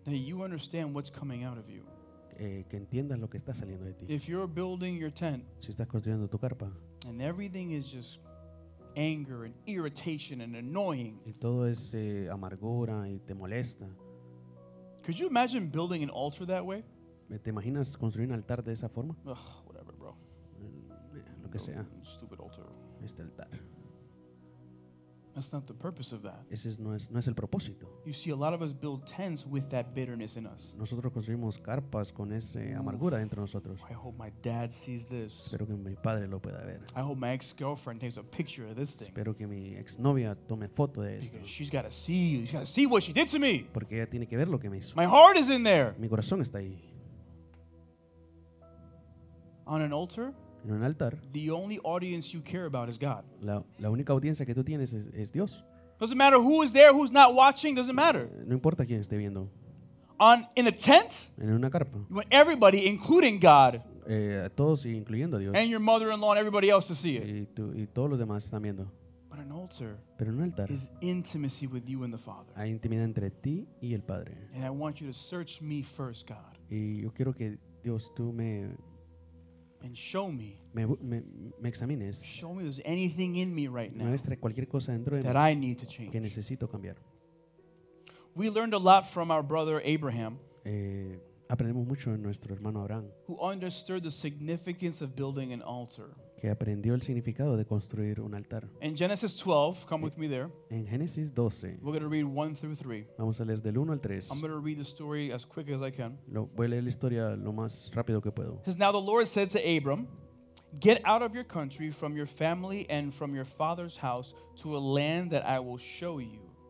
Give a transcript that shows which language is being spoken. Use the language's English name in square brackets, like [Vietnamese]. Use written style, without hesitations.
[English] That you understand what's coming out of you. [Spanish] Que entiendas lo que está saliendo de ti. [English] If you're building your tent, [Spanish] si estás construyendo tu carpa, [English] and everything is just anger and irritation and annoying, [Spanish] y todo es amargura y te molesta. [English] Could you imagine building an altar that way? [Spanish] ¿Te imaginas construir un altar de esa forma? [English] Ugh, whatever, bro. [Spanish] Lo que sea. [English] Stupid altar. [Spanish] Este altar. [English] That's not the purpose of that. [Spanish] Ese es, no es el propósito. [English] You see, a lot of us build tents with that bitterness in us. [Spanish] Nosotros construimos carpas con esa amargura dentro de nosotros. [English] I hope my dad sees this. [Spanish] Espero que mi padre lo pueda ver. [English] I hope my ex-girlfriend takes a picture of this thing. [Spanish] Espero que mi exnovia tome foto de [English] because [Spanish] esto. [English] She's got to see. She's got to see what she did to me. [Spanish] Porque ella tiene que ver lo que me hizo. [English] My heart is in there. [Spanish] Mi corazón está ahí. [English] On an altar. [Spanish] En un altar. [English] The only audience you care about is God. [Spanish] La única audiencia que tú tienes es Dios. [English] Doesn't matter who is there, who's not watching, doesn't matter. [Spanish] No importa quién esté viendo. [English] In a tent? [Spanish] En una carpa. [English] When everybody, including God. [Spanish] Todos, incluyendo a Dios. [English] And your mother-in-law and everybody else to see it. [Spanish] Y todos los demás están viendo. [English] But an altar, [Spanish] pero un altar [English] is intimacy with you and the Father. [Spanish] Hay intimidad entre ti y el Padre. [English] And I want you to search me first, God. [Spanish] Y yo quiero que Dios tú me [English] and show me. [Spanish] Me examines. [English] Show me there's anything in me right now. [Spanish] Muestra cualquier cosa dentro de [English] that I need to change. [Spanish] Que necesito cambiar. [English] We learned a lot from our brother Abraham. [Spanish] Aprendemos mucho de nuestro hermano Abraham. [English] Who understood the significance of building an altar. [Spanish] Que aprendió el significado de construir un altar. [English] In Genesis 12, come with me there. [Spanish] En Génesis 12. [English] We're going to read 1 through 3. [Spanish] Vamos a leer del 1 al 3. [English] I'm going to read the story as quick as I can. [Spanish] Voy a leer la historia lo más rápido que puedo. [English] It says, now the Lord said to Abram, get out of your country, from your family and from your father's house to a land that I will show you.